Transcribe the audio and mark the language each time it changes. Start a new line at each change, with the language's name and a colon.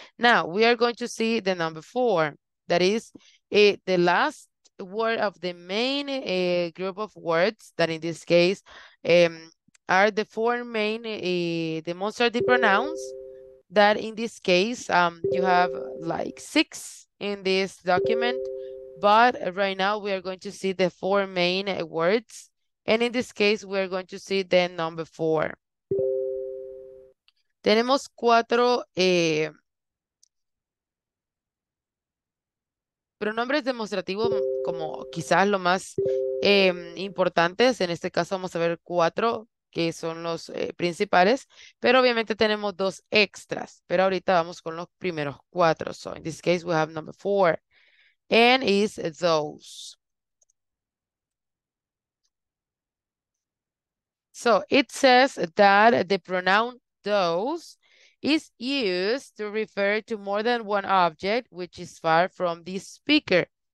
English: Now we are going to see the number four. That is the last word of the main group of words that in this case are the four main demonstrative pronouns that in this case you have like six in this document. But right now we are going to see the four main words. And in this case, we're going to see the number four.
Spanish: Tenemos cuatro pronombres demostrativos como quizás lo más importantes. En este caso vamos a ver cuatro que son los principales, pero obviamente tenemos dos extras. Pero ahorita vamos con los primeros cuatro.
English: So in this case, we have number four. And is those. So it says that the pronoun those is used to refer to more than one object which is far from the speaker.